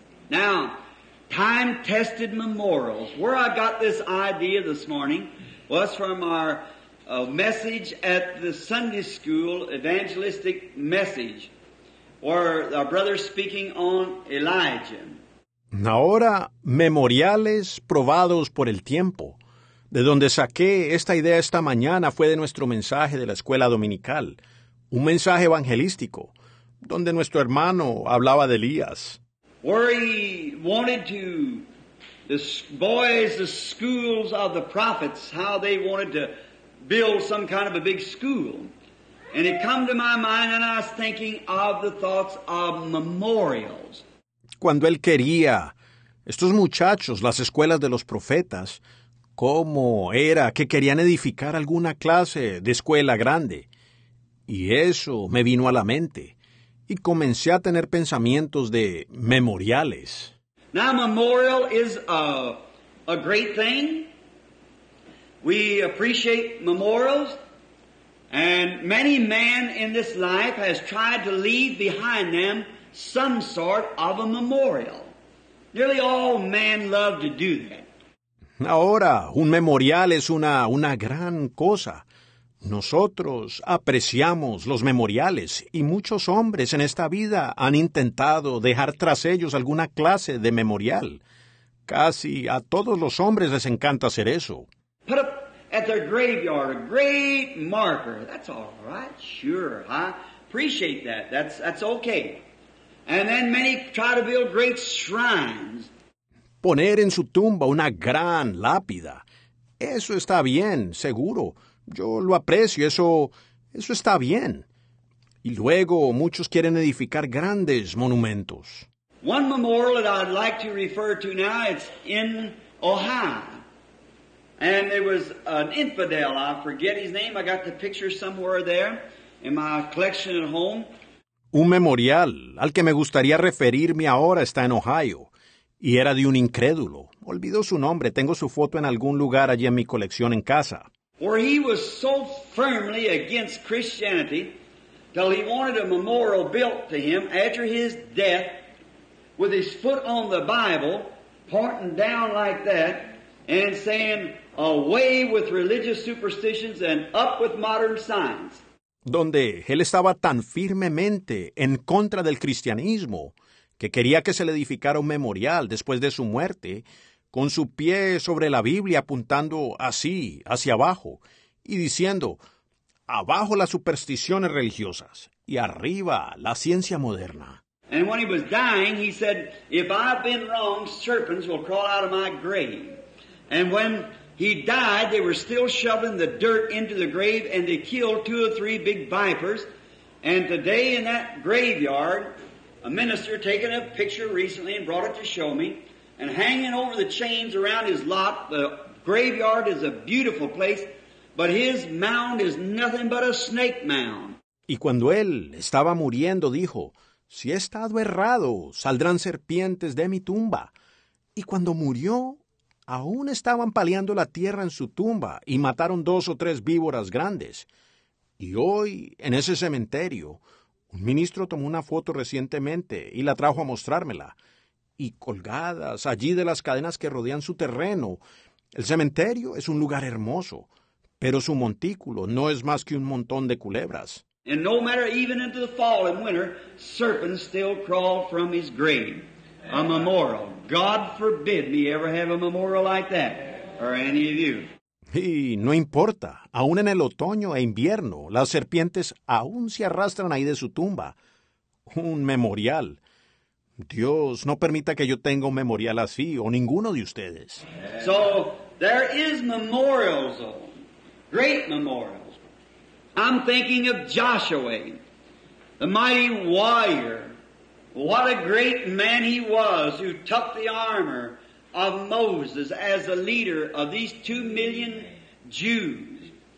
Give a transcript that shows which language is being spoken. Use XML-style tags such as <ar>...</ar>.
<en>Now, time-tested memorials. Where I got this idea this morning was from our a message at the Sunday school, evangelistic message, where our brother speaking on Elijah.</en> <es>Ahora, memoriales probados por el tiempo. De donde saqué esta idea esta mañana fue de nuestro mensaje de la escuela dominical, un mensaje evangelístico, donde nuestro hermano hablaba de Elías.</es> <en>Where he wanted to, the boys, the schools of the prophets, how they wanted to build some kind of a big school. And it came to my mind and I was thinking of the thoughts of memorials.</en> <es>Cuando él quería, estos muchachos, las escuelas de los profetas, ¿cómo era que querían edificar alguna clase de escuela grande? Y eso me vino a la mente, y comencé a tener pensamientos de memoriales.</es> <en>Now, memorial is a great thing. We appreciate memorials. And many men in this life has tried to leave behind them some sort of a memorial. Nearly all men love to do that.</en> <es>Ahora, un memorial es una gran cosa. Nosotros apreciamos los memoriales y muchos hombres en esta vida han intentado dejar tras ellos alguna clase de memorial. Casi a todos los hombres les encanta hacer eso.</es> <en>Put up at their graveyard a great marker. That's all right, sure, huh? Appreciate that. That's okay. And then many try to build great shrines.</en> <es>Poner en su tumba una gran lápida. Eso está bien, seguro. Yo lo aprecio, eso está bien. Y luego muchos quieren edificar grandes monumentos.</es> <en>One memorial that I'd like to refer to now, it's in Ohio. And there was an infidel, I forget his name, I got the picture somewhere there in my collection at home.</en> <es>Un memorial al que me gustaría referirme ahora está en Ohio, y era de un incrédulo. Olvido su nombre, tengo su foto en algún lugar allí en mi colección en casa.</es> <en>Where he was so firmly against Christianity, till he wanted a memorial built to him after his death, with his foot on the Bible, pointing down like that, and saying, away with religious superstitions and up with modern science.</en> <es>Donde él estaba tan firmemente en contra del cristianismo que quería que se le edificara un memorial después de su muerte con su pie sobre la Biblia apuntando así, hacia abajo, y diciendo, abajo las supersticiones religiosas y arriba la ciencia moderna.</es> <en>And when he was dying, he said, if I've been wrong, serpents will crawl out of my grave. And when he died, they were still shoving the dirt into the grave and they killed two or three big vipers. And today in that graveyard, a minister taken a picture recently and brought it to show me. And hanging over the chains around his lot, the graveyard is a beautiful place, but his mound is nothing but a snake mound.</en> <es>Y cuando él estaba muriendo, dijo, si he estado errado, saldrán serpientes de mi tumba. Y cuando murió, aún estaban paliando la tierra en su tumba y mataron dos o tres víboras grandes. Y hoy, en ese cementerio, un ministro tomó una foto recientemente y la trajo a mostrármela. Y colgadas allí de las cadenas que rodean su terreno, el cementerio es un lugar hermoso, pero su montículo no es más que un montón de culebras.</es> <en>And no matter even into the fall and winter, serpents still crawl from his grave. A memorial. God forbid me ever have a memorial like that, or any of you.</en> <es>Y no importa, aún en el otoño e invierno, las serpientes aún se arrastran ahí de su tumba. Un memorial. Dios no permita que yo tenga un memorial así, o ninguno de ustedes.</es> <en>So, there is memorials, though. Great memorials. I'm thinking of Joshua, the mighty warrior. What a great man he was who took the armor of Moses as a leader of these 2 million Jews.</en>